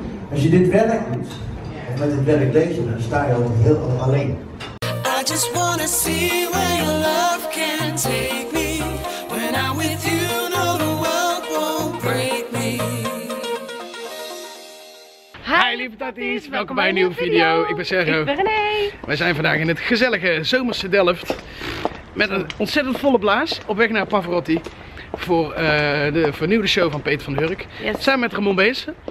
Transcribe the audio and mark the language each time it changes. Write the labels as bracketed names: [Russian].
[Dutch] Als je dit werk doet, of met dit werk lezen, dan sta je al heel alleen. [English] I just wanna see where your love can take me. When I'm with you, no, the world won't break me. [Dutch] Hi lieve tatties, welkom bij een nieuwe video. Ik ben Sergio. Ik ben René. Wij zijn vandaag in het gezellige zomerse Delft. Met een ontzettend volle blaas op weg naar Pavarotti voor de vernieuwde show van Peter van der Hurk. [English] Yes. [Dutch] Samen met Ramon Beessen.